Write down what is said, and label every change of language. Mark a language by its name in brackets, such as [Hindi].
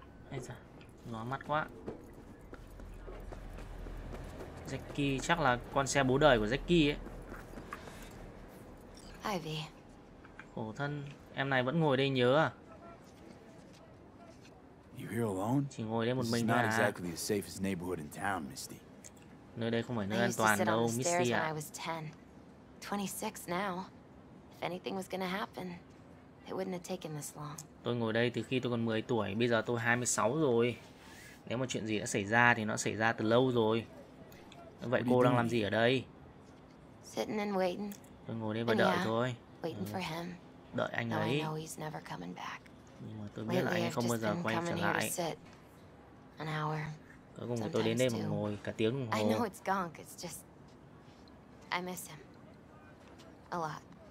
[Vietnamese] Ây da, ngó mắt quá. Jackie chắc là con xe bố đời của Jackie ấy. Ivy. Khổ thân, em này vẫn ngồi đây nhớ à? [English] You here alone? [Vietnamese] Chỉ ngồi đây một [English] This [Vietnamese] mình thôi à? [English] Not exactly the safest neighborhood in town, Misty. [Vietnamese] Nơi đây không phải nơi an toàn đâu, Misty à. [English] I was 10. 26 now. If anything was gonna happen, it wouldn't have taken this long. [Vietnamese] Tôi ngồi đây từ khi tôi còn 10 tuổi, bây giờ tôi 26 rồi. Nếu mà chuyện gì đã xảy ra thì nó xảy ra từ lâu rồi. Vậy cô đang làm gì ở đây? [English] Sitting and waiting. [Vietnamese] Tôi ngồi đây và đợi thôi. [English] Waiting for him. [Vietnamese] Đợi anh ấy. [English] I know he's never coming back. [Vietnamese] Nhưng mà tôi biết là anh không bao giờ quay trở lại. [English] An hour. [Vietnamese] Cuối cùng tôi đến đây mà ngồi cả tiếng đồng hồ. [English] I know it's gone, it's just I miss him a lot.